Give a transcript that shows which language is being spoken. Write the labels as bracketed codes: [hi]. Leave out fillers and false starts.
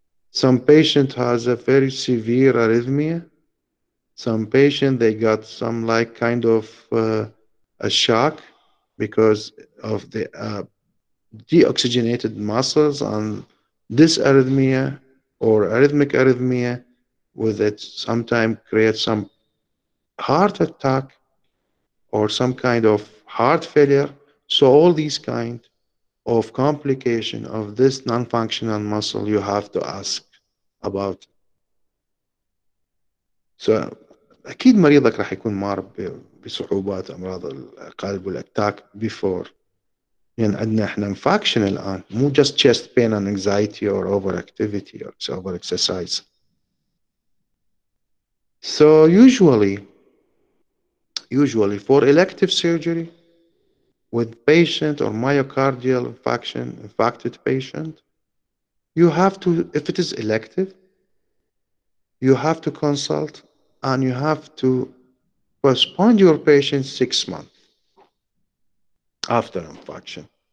[en] Some patient has a very severe arrhythmia. Some patient, they got some like kind of a shock because of the deoxygenated muscles and dysarrhythmia or arrhythmic arrhythmia with it sometimes creates some heart attack or some kind of heart failure. So all these kind of complication of this non-functional muscle, you have to ask about. [ar] So أكيد مريضك راح يكون مار بصعوبات أمراض القلب والأتاك before. يعني عندنا احنا [en] Infarction الان مو just chest pain and anxiety or over activity or over exercise. So usually for elective surgery with patient or myocardial infected patient, you have to, if it is elective, you have to consult and you have to postpone your patient 6 months after infarction.